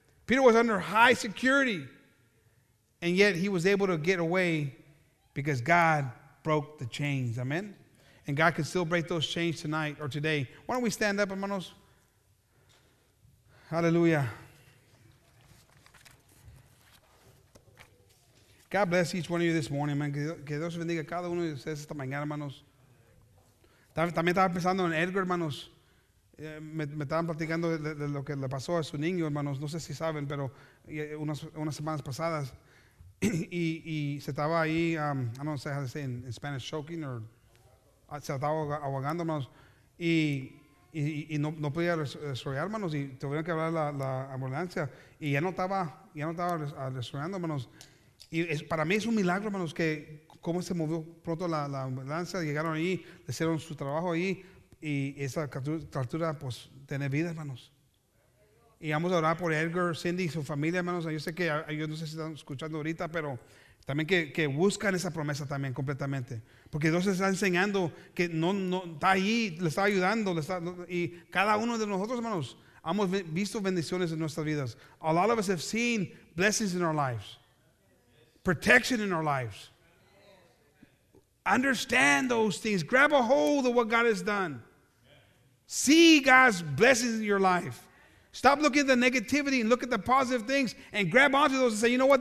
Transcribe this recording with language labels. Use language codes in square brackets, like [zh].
[en] Peter was under high security. And yet he was able to get away because God broke the chains. Amen? And God can still break those chains tonight or today. Why don't we stand up, hermanos? Hallelujah. God bless each one of you this morning, man. [es] Que Dios bendiga a cada uno de ustedes esta mañana, hermanos. También estaba pensando en Edgar, hermanos. Me estaban platicando de lo que le pasó a su niño, hermanos. No sé si saben, pero unas semanas pasadas. y se estaba ahí, [en] I don't know how to say it in Spanish, choking, [es] or se estaba ahogando, hermanos. Y no podía respirar, hermanos, y tuvieron que hablar la ambulancia. Y ya no estaba respirando, hermanos. Y para mí es un milagro, hermanos, que cómo se movió pronto la ambulancia. Llegaron ahí, le hicieron su trabajo ahí, y esa criatura pues tiene vida, hermanos. Y vamos a orar por Edgar, Cindy y su familia, hermanos. Yo sé que ellos no sé si están escuchando ahorita, pero también que buscan esa promesa también completamente. Porque Dios está enseñando que no está ahí, le está ayudando. Y cada uno de nosotros, hermanos, hemos visto bendiciones en nuestras vidas. [en] A lot of us have seen blessings in our lives. Protection in our lives. Understand those things. Grab a hold of what God has done. See God's blessings in your life. Stop looking at the negativity and look at the positive things and grab onto those and say, you know what?